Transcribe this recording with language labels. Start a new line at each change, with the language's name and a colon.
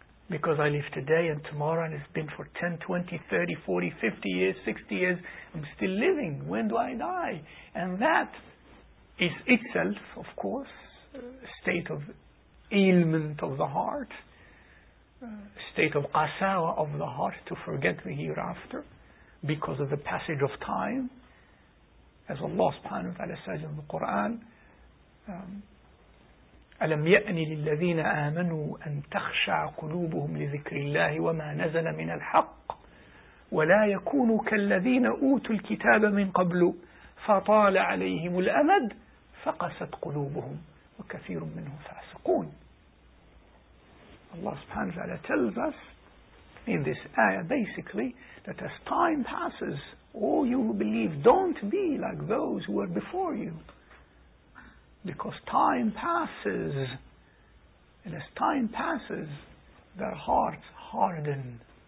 English: Because I live today and tomorrow, and it's been for 10, 20, 30, 40, 50 years, 60 years, I'm still living. When do I die? And that is itself, of course, a state of ailment of the heart, a state of qasawa of the heart, to forget the hereafter because of the passage of time. As Allah subhanahu wa ta'ala says in the Quran,
Arabic: أَلَمْ يَأْنِ لِلَّذِينَ آمَنُوا أَنْ تَخْشَعَ قُلُوبُهُمْ لِذِكْرِ اللَّهِ وَمَا نَزَلَ مِنَ الْحَقِّ وَلَا يَكُونُوا كَالَّذِينَ أُوتُوا الْكِتَابَ مِنْ قَبْلُ فَطَالَ عَلَيْهِمُ الْأَمَدْ فَقَسَتْ قُلُوبُهُمْ وَكَثِيرٌ مِّنْهُمْ فَاسِقُونَ.
English: Allah subhanahu wa ta'ala tells us in this ayah basically that as time passes, all you who believe, don't be like those who were before you. Because time passes, and as time passes, their hearts harden.